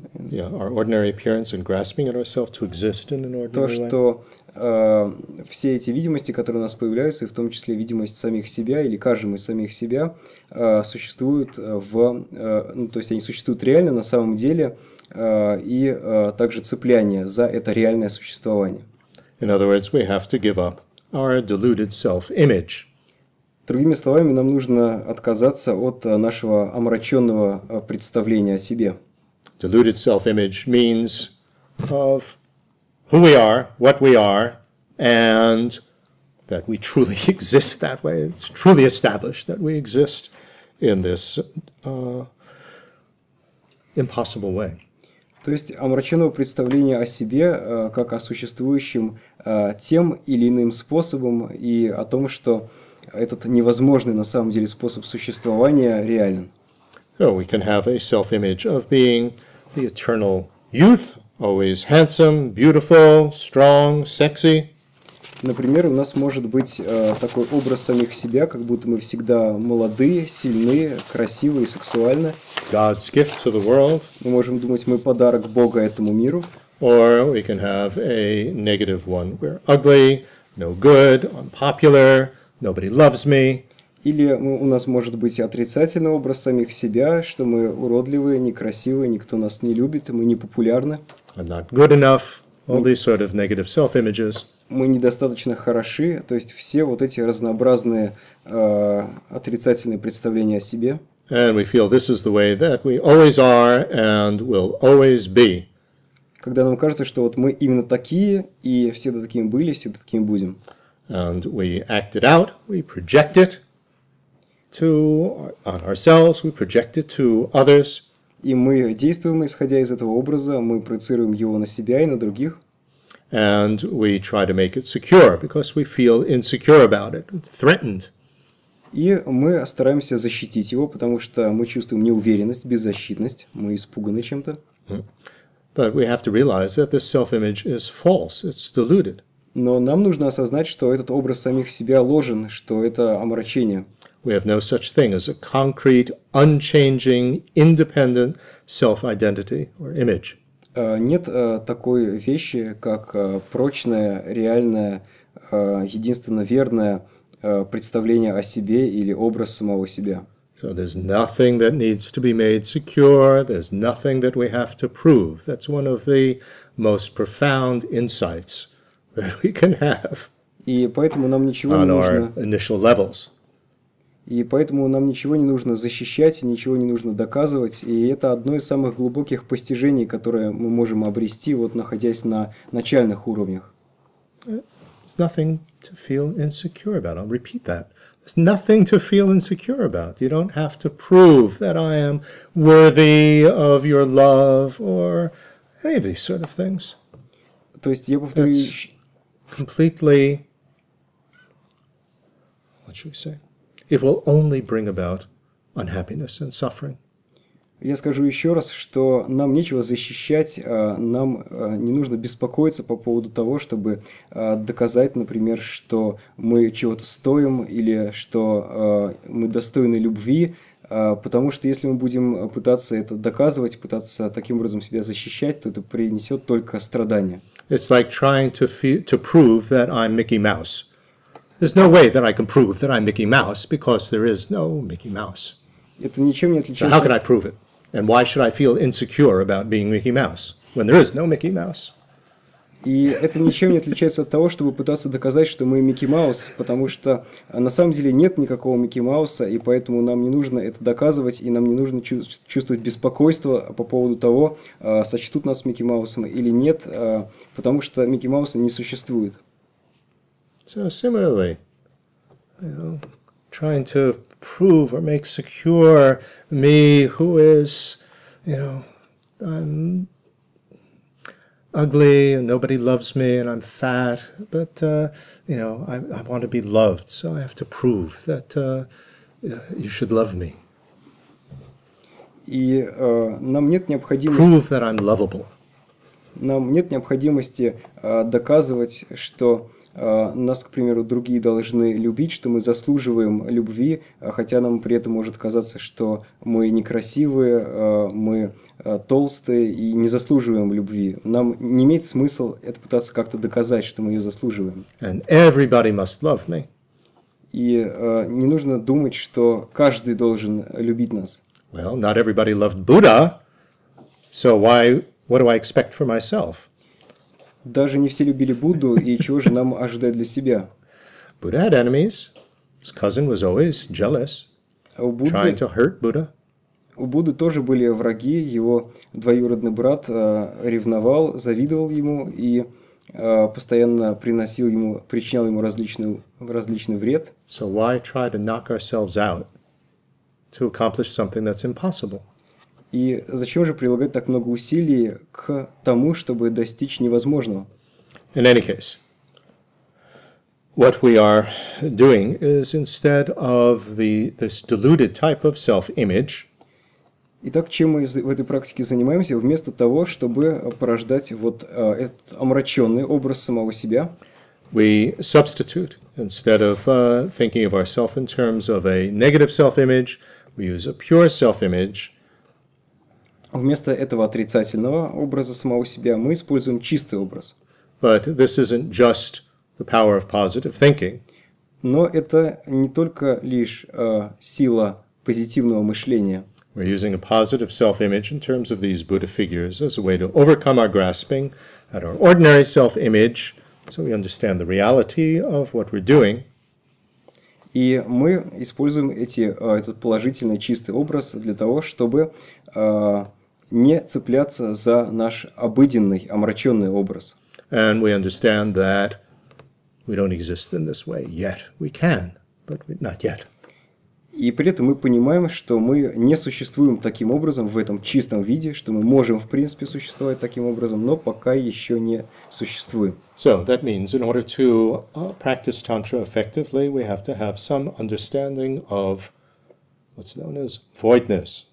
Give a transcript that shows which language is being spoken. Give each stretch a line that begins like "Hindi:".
English: Yeah, our ordinary appearance and grasping at ourselves to exist in an ordinary way.
Russian: То, что все эти видимости, которые у нас появляются, и в том числе видимость самих себя или каждого из самих себя, существуют в, то есть они существуют реально на самом деле, и также цепляние за это реальное существование.
English: In other words, we have to give up our deluded self-image.
Russian: Другими словами, нам нужно отказаться от нашего омраченного представления о себе.
English: Deluded self-image means of who we are, what we are, and that we truly exist that way. It's truly established that we exist in this impossible way.
Russian: То есть омраченного представления о себе как о существующем тем или иным способом и о том, что этот невозможный на самом деле способ существования реален.
English: So we can have a self-image of being the eternal youth, always handsome, beautiful, strong, sexy.
Russian: Например, у нас может быть такой образ самих себя, как будто мы всегда молодые, сильные, красивые и сексуальны.
English: God's gift to the world.
Russian: Мы можем думать, мы подарок Бога этому миру.
English: Or we can have a negative one. We're ugly, no good, unpopular. Nobody loves me.
Russian: Или у нас может быть отрицательный образ самих себя, что мы уродливые, некрасивые, никто нас не любит, мы не популярны.
English: I'm not good enough. All these sort of negative self-images.
Russian: Мы недостаточно хороши, то есть все вот эти разнообразные отрицательные представления о себе.
English: And we feel this is the way that we always are and will always be.
Russian: Когда нам кажется, что вот мы именно такие, и всегда такими были, всегда такими будем.
English: And we act it out, we project it to on ourselves, we project it to others.
Russian: И мы действуем, исходя из этого образа, мы проецируем его на себя и на других.
English: And we try to make it secure, because we feel insecure about it, threatened.
Russian: И мы стараемся защитить его, потому что мы чувствуем неуверенность, беззащитность, мы испуганы чем-то.
English: But we have to realize that this self-image is false, it's deluded.
Russian: Но нам нужно осознать, что этот образ самих себя ложен, что это омрачение.
English: We have no such thing as a concrete, unchanging, independent self-identity or image.
Russian: Нет такой вещи, как прочное, реальное, единственно верное представление о себе или образ самого себя.
English: So there's nothing that needs to be made secure, there's nothing that we have to prove. That's one of the most profound insights that we can have.
Russian: И поэтому нам ничего не нужно.
English: On our initial levels.
Russian: И поэтому нам ничего не нужно защищать, ничего не нужно доказывать. И это одно из самых глубоких постижений, которое мы можем обрести, вот находясь на начальных уровнях.
English: There's nothing to feel insecure about. I'll repeat that. There's nothing to feel insecure about. You don't have to prove that I am worthy of your love or any of these sort of things.
Russian: То есть я повторю...
English: That's completely... What should we say? It will only bring about unhappiness and suffering.
Russian: Я скажу еще раз, что нам нечего защищать, нам не нужно беспокоиться по поводу того, чтобы доказать, например, что мы чего-то стоим или что мы достойны любви, потому что если мы будем пытаться это доказывать, пытаться таким образом себя защищать, то это принесет только страдания.
English: It's like trying to prove that I'm Mickey Mouse. There's no way that I can prove that I'm Mickey Mouse because there is no Mickey Mouse.
Russian: Это ничем не отличается.
English: So how can I prove it? And why should I feel insecure about being Mickey Mouse when there is no Mickey Mouse?
Russian: И это ничем не отличается от того, чтобы пытаться доказать, что мы Микки Маус, потому что на самом деле нет никакого Микки Мауса, и поэтому нам не нужно это доказывать, и нам не нужно чувствовать беспокойство по поводу того, сочтут нас Микки Маусом или нет, потому что Микки Мауса не существует.
English: So similarly, you know, trying to prove or make secure me who is, you know, I'm ugly and nobody loves me and I'm fat, but, you know, I want to be loved, so I have to prove that you should love me.
Russian: И нам нет необходимости...
English: Prove that I'm lovable.
Russian: Нам нет необходимости доказывать, что... Нас, к примеру, другие должны любить, что мы заслуживаем любви, хотя нам при этом может казаться, что мы некрасивые, мы толстые и не заслуживаем любви. Нам не имеет смысла это пытаться как-то доказать, что мы ее заслуживаем.
English: And everybody must love me.
Russian: И не нужно думать, что каждый должен любить нас.
English: Well, not everybody loved Buddha, so why, what do I expect for myself?
Russian: Даже не все любили Будду, и чего же нам ожидать для себя?
English: Buddha had enemies. His cousin was always jealous, trying to hurt Buddha.
Russian: У Будды тоже были враги. Его двоюродный брат ревновал, завидовал ему и постоянно приносил ему, причинял ему различный вред.
English: So why try to knock ourselves out to accomplish something that's impossible?
Russian: И зачем же прилагать так много усилий к тому, чтобы достичь невозможного?
English: In any case, what we are doing is instead of this deluded type of self-image.
Russian: Итак, чем мы в этой практике занимаемся, вместо того, чтобы порождать вот этот омраченный образ самого себя?
English: We substitute instead of thinking of ourselves in terms of a negative self-image, we use a pure self-image.
Russian: Вместо этого отрицательного образа самого себя мы используем чистый образ.
English: But this isn't just the power of positive thinking.
Russian: Но это не только лишь сила позитивного мышления.
English: We're using a positive self-image in terms of these Buddha figures as a way to overcome our grasping at our ordinary self-image, so we understand the reality of what we're doing.
Russian: И мы используем этот положительный чистый образ для того, чтобы не цепляться за наш обыденный, омраченный образ.
English: And we understand that we don't exist in this way yet. We can, but not yet.
Russian: И при этом мы понимаем, что мы не существуем таким образом в этом чистом виде, что мы можем, в принципе, существовать таким образом, но пока еще не существуем.
English: So that means in order to practice Tantra effectively, we have to have some understanding of what's known as voidness.